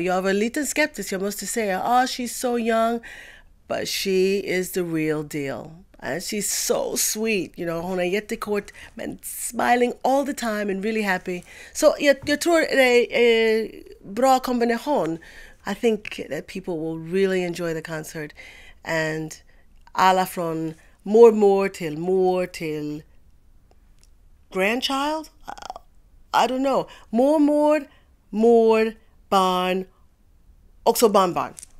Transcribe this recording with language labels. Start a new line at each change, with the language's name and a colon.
Swedish: Jag var lite skeptisk, jag måste säga,
English: oh, she's so young, but she is the real deal. And she's so sweet, you know,
Swedish: hon är jättekort,
English: men smiling all the time and really happy.
Swedish: So jag tror det är en bra kombination.
English: I think that people will really enjoy the concert, and
Swedish: alla från mormor till
English: grandchild? I don't know.
Swedish: Mormor, barn, också barnbarn.